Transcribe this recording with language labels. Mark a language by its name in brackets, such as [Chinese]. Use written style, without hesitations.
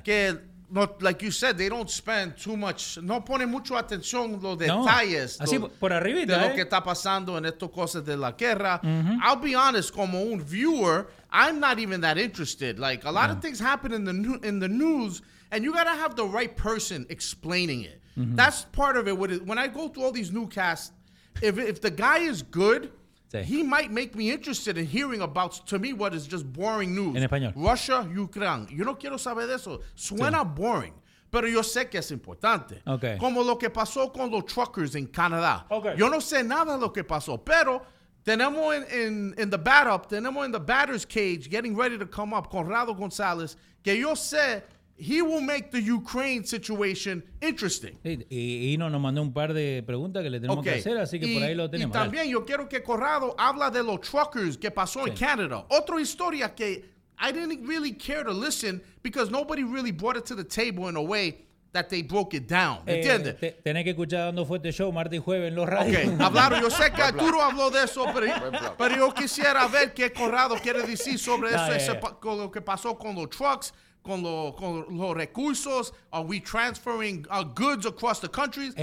[English] Que, not, like you said, they don't spend too much... [Spanish] No ponen mucha atención los detalles. Así, por arribita, de lo que está pasando en estas cosas de la guerra. [English] Mm-hmm. I'll be honest, [Spanish] como un viewer, [English] I'm not even that interested. Like, a lot of things happen in the news, and you gotta have the right person explaining it. Mm-hmm. That's part of it. When I go through all these newscasts, if the guy is good... He might make me interested in hearing about, to me, what is just boring news. [Spanish] En español. Russia, Ukraine. Yo no quiero saber de eso. Suena boring, pero yo sé que es importante. [English] Okay. [Spanish] Como lo que pasó con los truckers en Canadá. [English] Okay. [Spanish] Yo no sé nada lo que pasó, pero tenemos [English] in the bat-up, [Spanish] tenemos [English] in the batter's cage, getting ready to come up, [Spanish] Conrado González, que yo sé... [English] He will make the Ukraine situation interesting. [Spanish] Sí, y nos mandó un par de preguntas que le tenemos que hacer, así que por ahí lo tenemos. Y también yo quiero que Corrado habla de los truckers que pasó en Canadá. Otra historia que [English] I didn't really care to listen because nobody really brought it to the table in a way that they broke it down. [Spanish] ¿Entiendes? Tenés que escuchar Dando Fuerte Show martes y jueves en los radios. Okay, hablaron. Yo sé que Arturo habló de eso, pero yo quisiera ver qué Corrado quiere decir sobre eso, con lo que pasó con los trucks. Con los recursos, [English] are we transferring our goods across the countries?